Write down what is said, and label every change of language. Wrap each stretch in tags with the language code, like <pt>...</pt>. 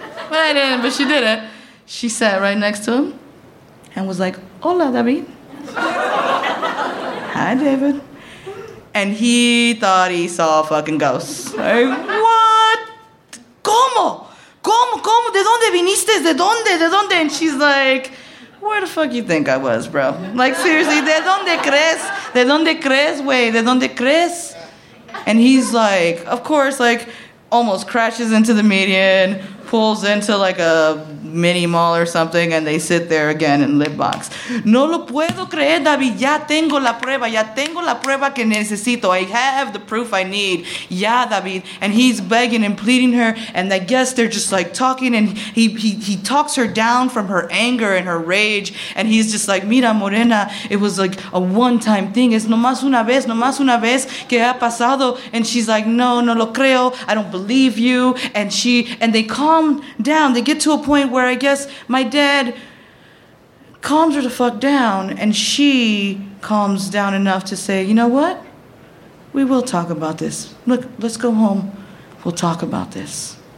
<en>But I didn't, but she did it. She sat right next to him and was like, hola, David. Hi, David. And he thought he saw a fucking ghost. Like, what?</en> <es>¿Cómo? ¿Cómo? ¿Cómo? ¿De dónde viniste? ¿De dónde? ¿De dónde?</es> <en>And she's like, where the fuck you think I was, bro? Like, seriously,</en> <es>¿de dónde crees? ¿De dónde crees, güey? ¿De dónde crees?</es> <en>And he's like, of course, like, almost crashes into the median, pulls into like a mini mall or something, and they sit there again in lip box.</en> <es>No lo puedo creer, David. Ya tengo la prueba que necesito.</es> <en>I have the proof I need. Ya, David. And he's begging and pleading her, and I guess they're just like talking, and he talks her down from her anger and her rage, and he's just like, mira, Morena, it was like a one-time thing.</en> <es>Es nomás una vez, nomás una vez que ha pasado.</es> <en>And she's like,</en> <es>no, no lo creo.</es> <en>I don't believe you. And she, and they calm down. They get to a point where I guess my dad calms her the fuck down, and she calms down enough to say, you know what? We will talk about this. Look, let's go home. We'll talk about this.</en>